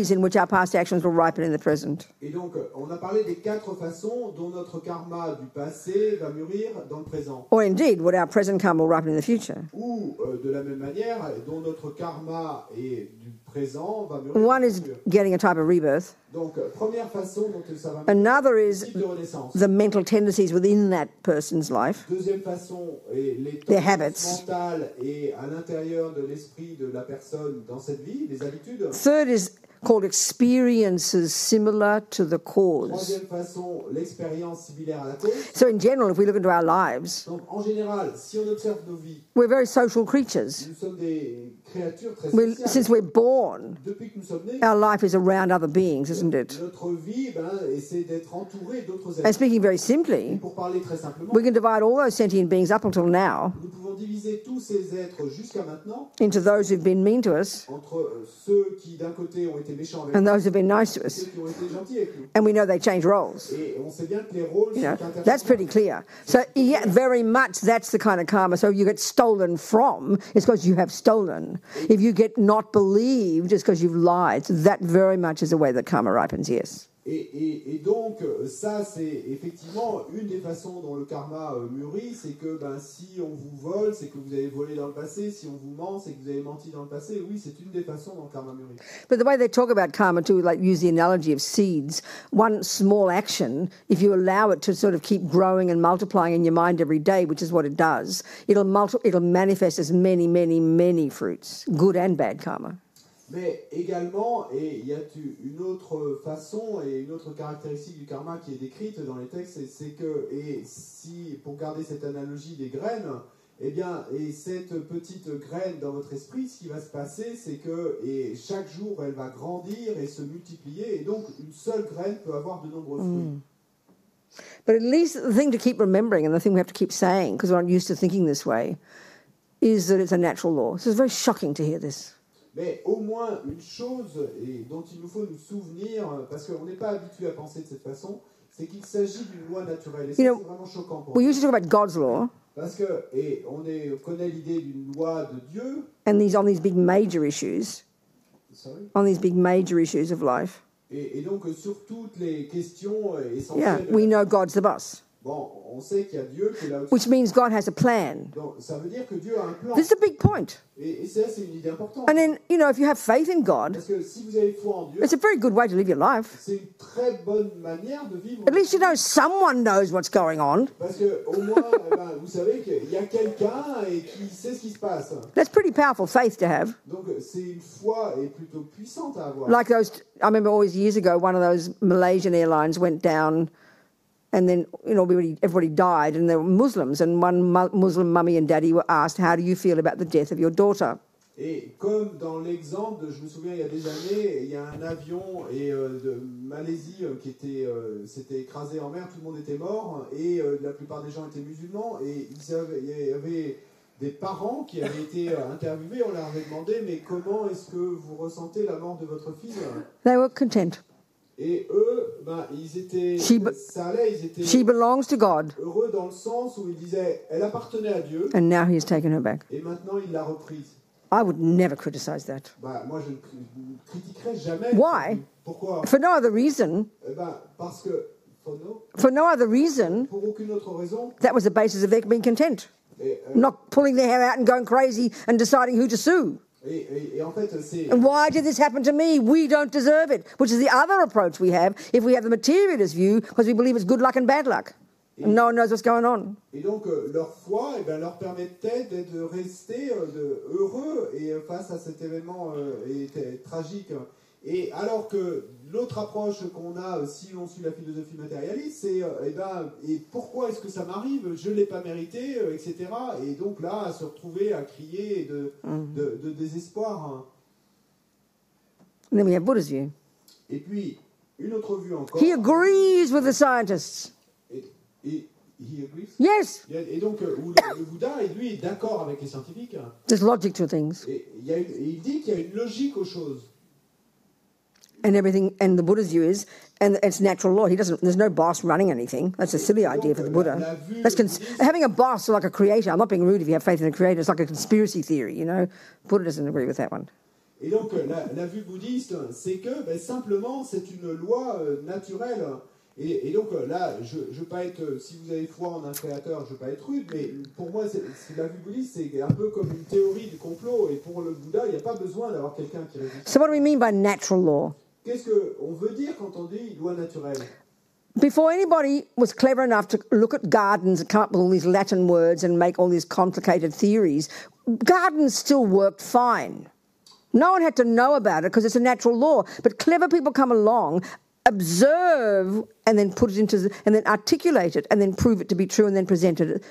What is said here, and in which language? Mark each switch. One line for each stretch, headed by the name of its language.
English: ways in which our past actions will ripen in the present.
French: Et donc, on a parlé des quatre façons dont notre karma du passé va mûrir dans le présent.
English: Or indeed, what our present karma will ripen in the future.
French: Ou de la même manière, dont notre karma est du présent va mûrir.
English: One is getting a type of rebirth.
French: Donc, première façon dont ça va.
English: Another is the mental tendencies within that person's life.
French: Deuxième façon est les tendances mentales et à l'intérieur de l'esprit de la personne dans cette vie, les habitudes.
English: Third is called experiences similar to the cause.
French: Troisième façon, l'expérience similaire à la cause.
English: So in general, if we look into our lives,
French: donc en général, si on observe nos vies,
English: we're very social creatures.
French: Nous sommes des créatures très sociales.
English: Since we're born,
French: depuis que nous sommes nés,
English: our life is around other beings, isn't it?
French: Notre vie, ben, essaie d'être entouré d'autres êtres.
English: And speaking very simply,
French: et pour parler très simplement,
English: we can divide all those sentient beings up until now,
French: nous pouvons diviser tous ces êtres jusqu'à maintenant,
English: into those who've been mean to us,
French: entre ceux qui d'un côté ont été méchants avec
English: and those who've been nice to us. And we know they change roles.
French: Et on sait bien que les roles sont interchangeables.
English: That's pretty clear. So yeah, very much that's the kind of karma. So you get stolen from, it's because you have stolen. If you get not believed, it's because you've lied. So that very much is the way that karma ripens, yes.
French: Et donc, ça, c'est effectivement une des façons dont le karma mûrit, c'est que ben, si on vous vole, c'est que vous avez volé dans le passé. Si on vous ment, c'est que vous avez menti dans le passé. Oui, c'est une des façons dont le karma mûrit.
English: But the way they talk about karma, too, like use the analogy of seeds, one small action, if you allow it to sort of keep growing and multiplying in your mind every day, which is what it does, it'll manifest as many, many, many fruits, good and bad karma.
French: Mais également, et il y a une autre façon et une autre caractéristique du karma qui est décrite dans les textes, c'est que, et si, pour garder cette analogie des graines, eh bien, et cette petite graine dans votre esprit, ce qui va se passer, c'est que, et chaque jour, elle va grandir et se multiplier, et donc, une seule graine peut avoir de nombreux fruits.
English: But at least the thing to keep remembering, and the thing we have to keep saying, because we're not used to thinking this way, is that it's a natural law. So it's very shocking to hear this.
French: Mais au moins une chose et dont il nous faut nous souvenir, parce qu'on n'est pas habitué à penser de cette façon, c'est qu'il s'agit d'une loi naturelle. Et ça,
English: you know,
French: c'est vraiment choquant pour nous.
English: We usually talk about God's law.
French: Parce que, et on est, connaît l'idée d'une loi de Dieu.
English: And these, on these big major issues. Sorry? On these big major issues of life.
French: Et donc sur toutes les questions essentielles.
English: Yeah, we know God's the boss.
French: Bon, on sait qu'il y a Dieu qui est là aussi.
English: Which means God has a plan.
French: Donc, ça veut dire que Dieu a un plan.
English: This is a big point.
French: Et ça, c'est une idée importante.
English: And then, you know, if you have faith in God,
French: parce que si vous avez foi en Dieu,
English: it's a very good way to live your life.
French: C'est une très bonne manière de vivre.
English: At least you know someone knows what's going on.
French: Parce que, au moins, ben, vous savez qu'il y a quelqu'un et qui sait ce qui se passe.
English: That's pretty powerful faith to have.
French: Donc, c'est une foi et plutôt puissante à avoir.
English: Like those, I remember always years ago, one of those Malaysian airlines went down. And then, you know, everybody died, and there were Muslims. And one Muslim mummy and daddy were asked, "How do you feel about the death of your daughter?"
French: Et comme dans l'exemple, je me souviens, il y a des années, il y a un avion et de Malaisie qui était, s'était écrasé en mer. Tout le monde était mort, et la plupart des gens étaient musulmans. Et ils avaient, il y avait des parents qui avaient été interviewés. On leur avait demandé, mais comment est-ce que vous ressentez la mort de votre fille?
English: They were content.
French: Et eux, ben, ils étaient, ça allait, ils étaient
English: she belongs to God.
French: Heureux dans le sens où ils disaient, elle appartenait à Dieu.
English: And now he has taken her back.
French: Et maintenant, il l'a reprise.
English: I would never criticize that.
French: Ben, moi, je ne critiquerais jamais.
English: Why?
French: Pourquoi?
English: For no other reason.
French: Eh ben, parce que,
English: for no other reason.
French: Pour aucune autre raison.
English: That was the basis of their being content. Not pulling their hair out and going crazy and deciding who to sue.
French: Et en fait, c'est...
English: And why did this happen to me? We don't deserve it. Which is the other approach we have if we have the materialist view, because we believe it's good luck and bad luck. And no one knows what's going on.
French: Et donc, leur foi, eh ben, leur permettait de rester heureux et face à cet événement tragique. Et alors que l'autre approche qu'on a, si on suit la philosophie matérialiste, c'est eh ben, et pourquoi est-ce que ça m'arrive? Je ne l'ai pas mérité, etc. Et donc là, à se retrouver à crier de désespoir.
English: Then we have Buddha's view.
French: Et puis, une autre vue encore.
English: He agrees with the scientists.
French: Et
English: he agrees? Yes.
French: Et donc, le Bouddha, lui, est d'accord avec les scientifiques.
English: There's logic to things.
French: Et il dit qu'il y a une logique aux choses.
English: And everything, and the Buddha's view is, and it's natural law. He doesn't. There's no boss running anything. That's a silly idea for the Buddha. Having a boss like a creator. I'm not being rude. If you have faith in a creator, it's like a conspiracy theory. You know, Buddha doesn't agree with that one.
French: Et donc la vue bouddhiste, c'est que ben, simplement c'est une loi naturelle. Et donc là, je ne veux pas être, si vous avez foi en un créateur, je ne veux pas être rude, mais pour moi, c'est la vue bouddhiste, c'est un peu comme une théorie du complot. Et pour le Bouddha, il n'y a pas besoin d'avoir quelqu'un qui résiste.
English: So what do we mean by natural law?
French: Qu'est-ce qu'on veut dire quand on dit loi naturelle?
English: Before anybody was clever enough to look at gardens and come up with all these Latin words and make all these complicated theories, gardens still worked fine. No one had to know about it because it's a natural law. But clever people come along, observe, and then put it into, and then articulate it, and then prove it to be true, and then present it.